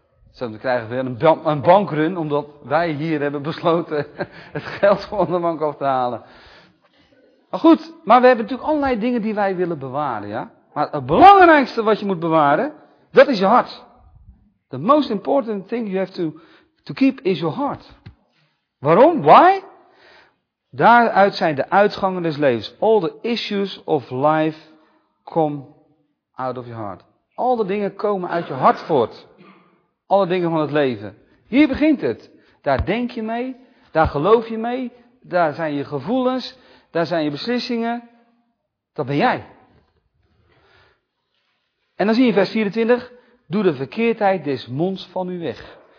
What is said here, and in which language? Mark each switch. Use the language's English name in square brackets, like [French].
[Dutch] Zo krijgen we een bankrun, omdat wij hier hebben besloten het geld van de bank af te halen. Maar goed, maar we hebben natuurlijk allerlei dingen die wij willen bewaren, ja? Maar het belangrijkste wat je moet bewaren, dat is je hart. [English] The most important thing you have to keep is your heart. [Dutch] Waarom? [English] Why? [Dutch] Daaruit zijn de uitgangen des levens. [English] All the issues of life come out of your heart. [Dutch] Al de dingen komen uit je hart voort. Alle dingen van het leven. Hier begint het. Daar denk je mee. Daar geloof je mee. Daar zijn je gevoelens. Daar zijn je beslissingen. Dat ben jij. En dan zie je in vers 24. Doe de verkeerdheid des monds van u weg.